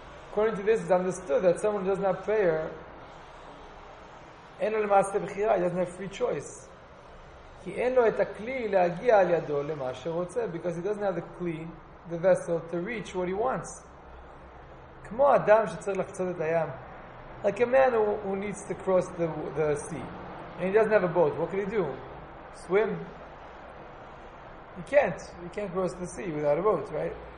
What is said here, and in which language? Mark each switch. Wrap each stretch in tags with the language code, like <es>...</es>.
<en>According to this, it's understood that someone who does not pray, he doesn't have free choice. He doesn't have the kli to reach what he wants, because he doesn't have the kli, the vessel, to reach what he wants.</en> <he>כמו אדם שצריך לחצות את הים.</he> <en>Like a man who needs to cross the sea. And he doesn't have a boat. What can he do? Swim? He can't. He can't cross the sea without a boat, right?</en>